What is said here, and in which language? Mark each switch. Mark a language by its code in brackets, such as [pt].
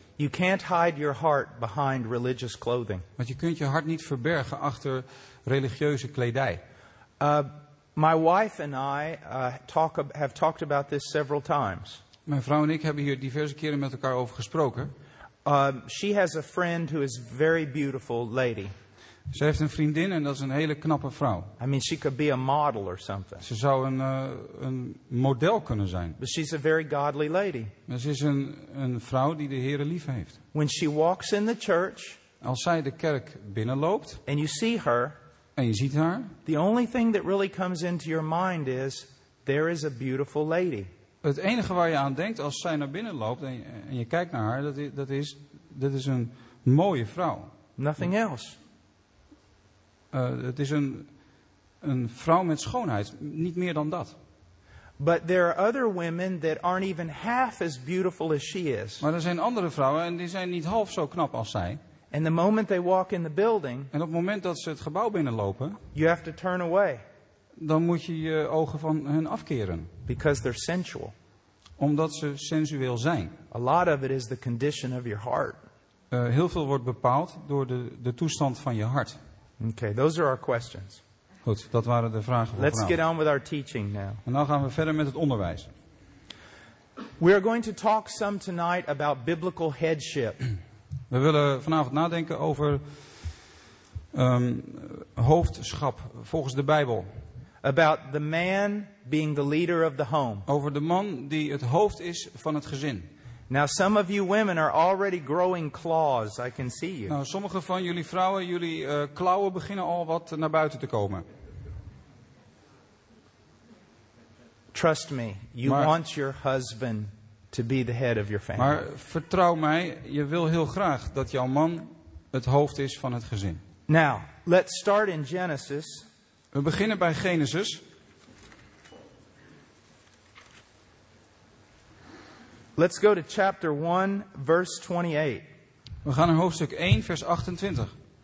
[en] You can't hide your heart behind religious clothing. [nl] Want je kunt je hart niet verbergen achter religieuze kledij. [en] My wife and I have talked about this several times. [nl] Mijn vrouw en ik hebben hier diverse keren met elkaar over gesproken. [en] She has a friend who is very beautiful lady. [nl] Ze heeft een vriendin en dat is een hele knappe vrouw. [en] I mean, she could be a model or something. [nl] Ze zou een model kunnen zijn. [en] But she's a very godly lady. [nl] Maar ze is een vrouw die de Heere lief heeft. [en] When she walks in the church, [nl] als zij de kerk binnenloopt, [en] and you see her, [nl] en je ziet haar, [en] the only thing that really comes into your mind is there is a beautiful lady. [nl] Het enige waar je aan denkt als zij naar binnen loopt en je kijkt naar haar, dat is een mooie vrouw. [en] Nothing else. [nl] Het is een vrouw met schoonheid, niet meer dan dat. [en] But there are other women that aren't even half as beautiful as she is. [nl] Maar er zijn andere vrouwen en die zijn niet half zo knap als zij. [en] And the moment they walk in the building, [nl] en op het moment dat ze het gebouw binnenlopen, [en] you have to turn away. [nl] Dan moet je je ogen van hen afkeren. [en] Because they're sensual. [nl] Omdat ze sensueel zijn. [en] A lot of it is the condition of your heart. [nl] Heel veel wordt bepaald door de toestand van je hart. [en] Okay, those are our questions. [nl] Goed, dat waren de vragen voor vandaag. [en] Let's get on with our teaching now. [nl] En nou gaan we verder met het onderwijs. [en] We are going to talk some tonight about biblical headship. [nl] We willen vanavond nadenken over hoofdschap volgens de Bijbel. [en] About the man being the leader of the home. [nl] Over de man die het hoofd is van het gezin. [en] Now some of you women are already growing claws. I can see you. [nl] Nou, sommige van jullie vrouwen, jullie klauwen beginnen al wat naar buiten te komen. [en] Trust me, want your husband to be the head of your family. [nl] Maar vertrouw mij, je wil heel graag dat jouw man het hoofd is van het gezin. [en] Now, let's start in Genesis. [nl] We beginnen bij Genesis. [en] Let's go to chapter 1, verse 28. [nl] We gaan naar hoofdstuk 1, vers 28.